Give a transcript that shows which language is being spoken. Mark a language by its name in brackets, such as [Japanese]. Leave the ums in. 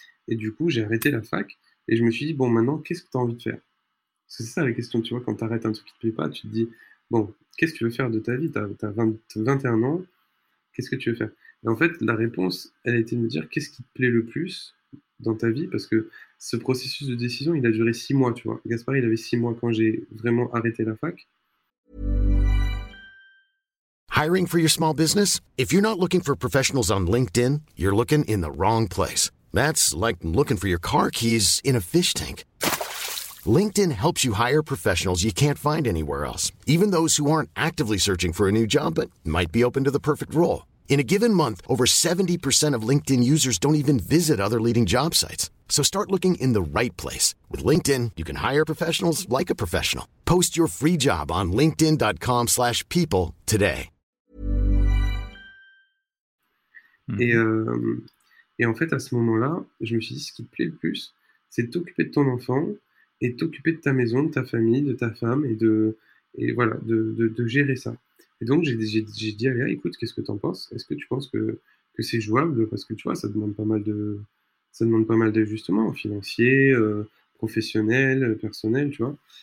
[French] Et du coup, j'ai arrêté la fac et je me suis dit bon, maintenant, qu'est-ce que tu as envie de faire Parce que c'est ça la question, tu vois, quand tu arrêtes un truc qui te plaît pas, tu te dis bon, qu'est-ce que tu veux faire de ta vie Tu as, t as 20, 21 ans, qu'est-ce que tu veux faire et en fait, la réponse, elle a été de me dire qu'est-ce qui te plaît le plus dans ta vie Parce que ce processus de décision, il a duré six mois, tu vois. Gaspard, il avait six mois quand j'ai vraiment arrêté la fac. [English] Hiring for your small business If you're not looking for professionals on LinkedIn, you're looking in the wrong place. That's like looking for your car keys in a fish tank. LinkedIn helps you hire professionals you can't find anywhere else, even those who aren't actively searching for a new job but might be open to the perfect role. In a given month, over 70% of LinkedIn users don't even visit other leading job sites. So start looking in the right place. With LinkedIn, you can hire professionals like a professional. Post your free job on linkedin.com slash people today. Mm -hmm. [French] Et, euh, et en fait, à ce moment-là, je me suis dit, ce qui te plaît le plus, c'est de t'occuper de ton enfant et de t'occuper de ta maison, de ta famille, de ta femme et de, et voilà, de, de, de gérer ça. Et donc, j'ai dit à Léa, écoute, qu'est-ce que tu en penses Est-ce que tu penses que, que c'est jouable Parce que tu vois, ça demande pas mal de ça demande pas mal d'ajustements financiers, euh, professionnels, personnels, tu vois.